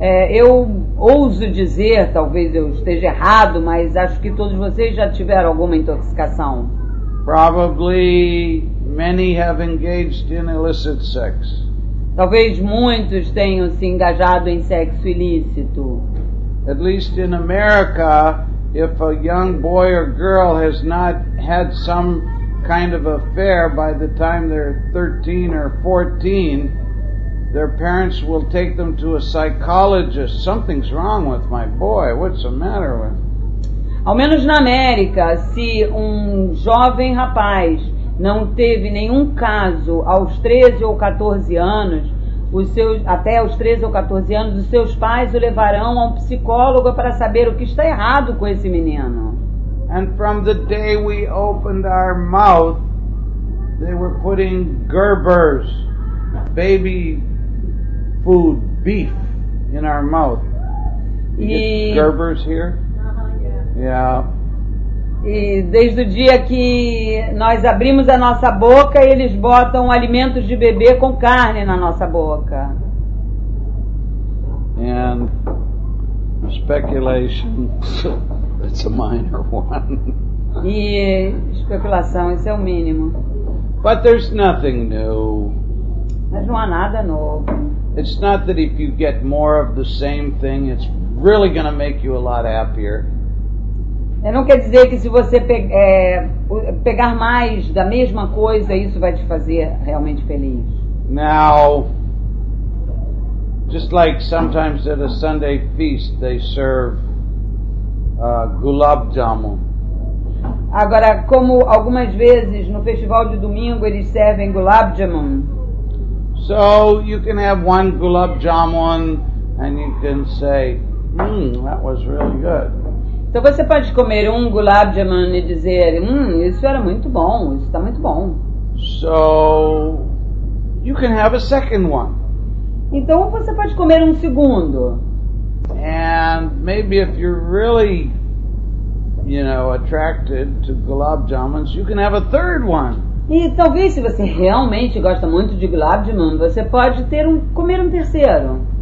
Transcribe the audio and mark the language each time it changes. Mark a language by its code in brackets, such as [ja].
[pt] Eu ouso dizer, talvez eu esteja errado, mas acho que todos vocês já tiveram alguma intoxicação. [en] Probably many have engaged in illicit sex. [pt] Talvez muitos tenham se engajado em sexo ilícito. [en] At least in America, if a young boy or girl has not had some kind of affair by the time they're 13 or 14, their parents will take them to a psychologist. Something's wrong with my boy. What's the matter with him? [pt] Ao menos na América, se jovem rapaz não teve nenhum caso aos 13 ou 14 anos, até aos 13 ou 14 anos, os seus pais o levarão a um psicólogo para saber o que está errado com esse menino. [en] And from the day we opened our mouth, they were putting Gerber's baby food, beef, in our mouth. Gerber's here? Yeah. [pt] E desde o dia que nós abrimos a nossa boca, eles botam alimentos de bebê com carne na nossa boca. [en] And speculation. It's a minor one. [pt] E especulação, isso é o mínimo. [en] But there's nothing new. [pt] Mas não há nada novo. [en] It's not that if you get more of the same thing, it's really going to make you a lot happier. [pt] Não quer dizer que se você pegar mais da mesma coisa, isso vai te fazer realmente feliz. [en] Now, just like sometimes at a Sunday feast, they serve gulab jamun. [pt] Agora, como algumas vezes no festival de domingo eles servem gulab jamun. [en] So you can have one gulab jamun and you can say, that was really good. [pt] Então você pode comer um gulab jamun e dizer, isso era muito bom, isso está muito bom. [en] So you can have a second one. [pt] Então você pode comer um segundo. [en] And maybe if you're really, you know, attracted to gulab jamuns, you can have a third one. [pt] E talvez se você realmente gosta muito de gulab jamun, você pode comer um terceiro.